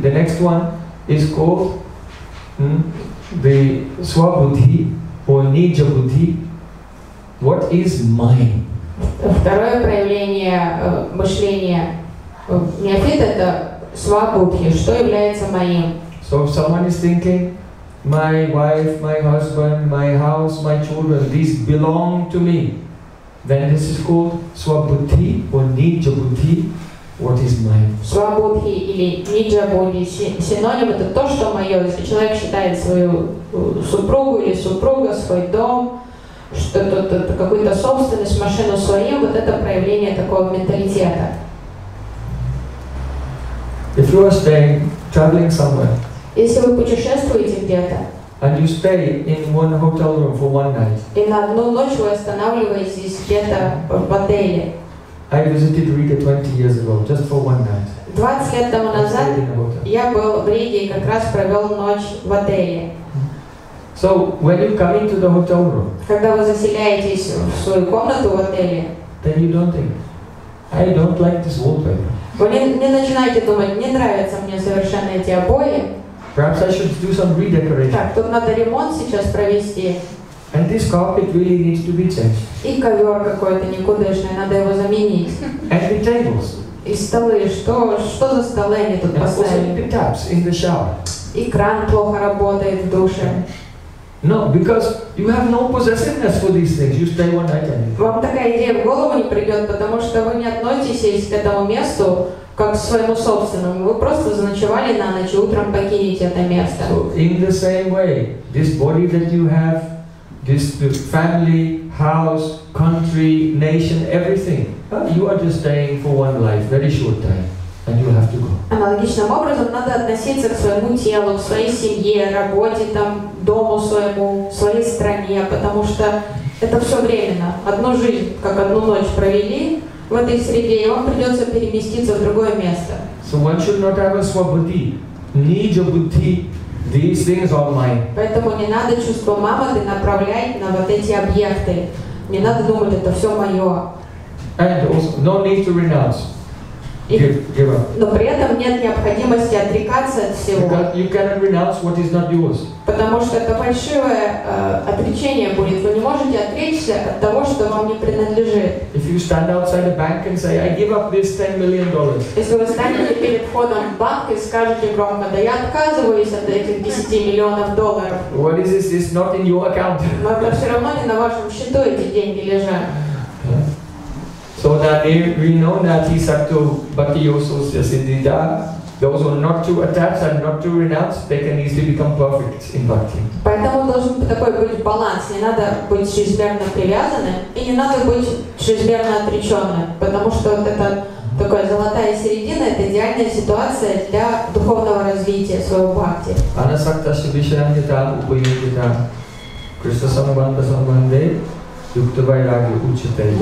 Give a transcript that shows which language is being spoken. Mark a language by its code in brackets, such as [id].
[en] The next one is called the Swabuddhi or Nija Buddhi. What is mine? [ru] Второе проявление мышления неофита — это Свабуддхи. Что является моим? [en] So if someone is thinking, my wife, my husband, my house, my children, these belong to me, then this is called Swabuddhi or Nija Buddhi. What is mine? [ru] Свабуддхи или ниджа-буддхи – синоним – это то, что мое. Если человек считает свою супругу или супруга, свой дом, что-то, какую-то собственность, машину свою, вот это проявление такого менталитета. [en] If you are staying, traveling somewhere, [ru] если вы путешествуете где-то, [en] and you stay in one hotel room for one night, [ru] и на одну ночь вы останавливаетесь где-то в отеле. [en] I visited Riga 20 years ago, just for one night. [ru] 20 лет тому назад я был в Риге и как раз провел ночь в отеле. [en] So when you come into the hotel room, [ru] когда вы заселяетесь в свою комнату в отеле, [en] then you don't think, I don't like this wallpaper. [ru] Вы не начинаете думать, не нравятся мне совершенно эти обои. [en] Perhaps I should do some redecoration. [ru] Так, тут надо ремонт сейчас провести. [en] And this carpet really needs to be changed. [ru] И ковер какой-то никудышный, надо его заменить. [en] And the tables. [ru] И столы, что за столы они тут поставили? [en] The taps in the shower. [ru] И кран плохо работает в душе. [en] No, because you have no possessiveness for these things. You stay one night and [ru] leave. Вам такая идея в голову не придет, потому что вы не относитесь к этому месту как к своему собственному. Вы просто заночевали на ночь и утром покинете это место. [en] So in the same way, this body that you have, this family, house, country, nation, everything. You are just staying for one life, very short time, and you have to go. [ru] Аналогичным образом надо относиться к своему телу, к своей семье, работе, там, дому своему, своей стране, потому что это все временно. Одну жизнь, как одну ночь провели в этой среде, и вам придется переместиться в другое место. [en] So one should not have a swabuddhi, need a buddhi. These things are mine. [ru] Поэтому не надо чувство мамады направлять на вот эти объекты. Не надо думать, это все мое. [en] And also, no need to renounce. Give up. [ru] Но при этом нет необходимости отрекаться от всего. [en] Because you cannot renounce what is not yours. [ru] Потому что это большое отречение будет. Вы не можете отречься от того, что вам не принадлежит. [en] If you stand outside a bank and say, I give up this $10 million. [ru] Если вы станете перед входом в банк и скажете громко, да я отказываюсь от этих $10 миллионов. [en] What is this? It's not in your account. [ru] Но это все равно не на вашем счету эти деньги лежат. [en] So that we know that he sattu bhakiyosu siddhita, those who are not to attach and not to renounce, they can easily become perfect in bhakti. [ru] Поэтому должен такой быть баланс. Не надо быть чрезмерно привязанным и не надо быть чрезмерно отреченным. Потому что вот это такая золотая середина, это идеальная ситуация для духовного развития своего бхакти. [sa] Anasakta shibhishanyata upayukita krishna samabanta samabande. Юкта вайраги учитель.